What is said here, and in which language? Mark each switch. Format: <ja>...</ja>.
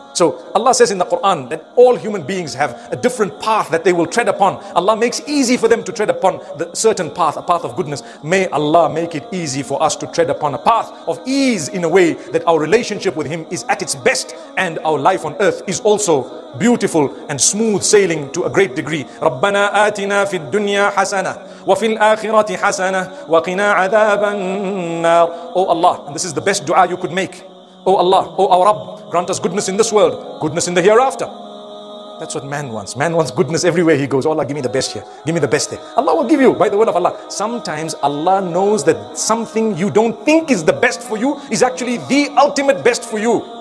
<en>So Allah says in the Quran that all human beings have a different path that they will tread upon. Allah makes easy for them to tread upon the certain path, a path of goodness. May Allah make it easy for us to tread upon a path of ease, in a way that our relationship with him is at its best, and our life on earth is also beautiful and smooth sailing to a great degree.</en> <ar>ربنا آتنا في الدنيا حسنة وفي الآخرة حسنة وقنا عذاب النار.</ar> <en>Oh Allah, and this is the best dua you could make. Oh Allah, oh our Rabb, grant us goodness in this world, goodness in the hereafter. That's what man wants. Man wants goodness everywhere he goes. Oh Allah, give me the best here. Give me the best there. Allah will give you by the will of Allah. Sometimes Allah knows that something you don't think is the best for you is actually the ultimate best for you.</en>